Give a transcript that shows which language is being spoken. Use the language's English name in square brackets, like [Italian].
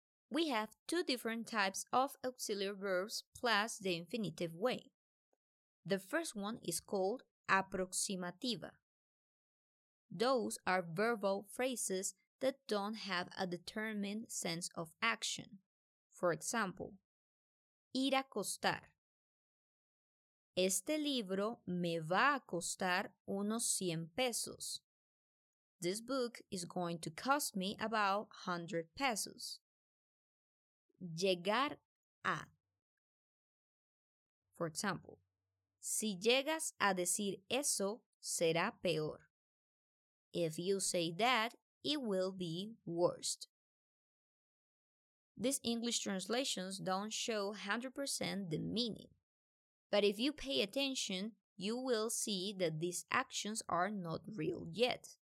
[English] We have two different types of auxiliary verbs plus the infinitive way. The first one is called aproximativa. Those are verbal phrases that don't have a determined sense of action. For example, [Spanish] ir a acostar. Este libro me va a costar unos 100 pesos. [English] This book is going to cost me about 100 pesos. [Spanish] Llegar a. [English] For example, [Spanish] si llegas a decir eso, será peor. [English] If you say that, it will be worse. These English translations don't show 100% the meaning. But if you pay attention, you will see that these actions are not real yet.